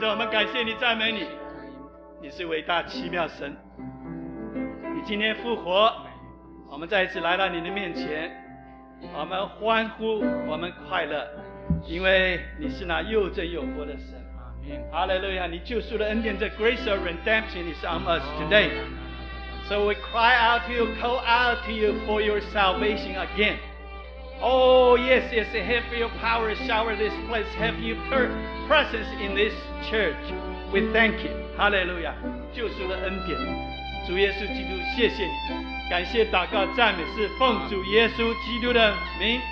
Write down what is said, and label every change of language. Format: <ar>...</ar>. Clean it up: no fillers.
<zh>感谢你，赞美你，你是伟大奇妙神，你今天复活，我们再一次来到你的面前，我们欢呼，我们快乐，因为你是那又真又活的神。哈利路亚，你救赎的恩典</zh> <en>The grace of redemption is on us today. So we cry out to you, call out to you for your salvation again. Oh yes, yes, have your power shower this place, have your presence in this church. We thank you. Hallelujah.</en> <zh>救赎的恩典，主耶稣基督，谢谢你，感谢祷告赞美是奉主耶稣基督的名。</zh>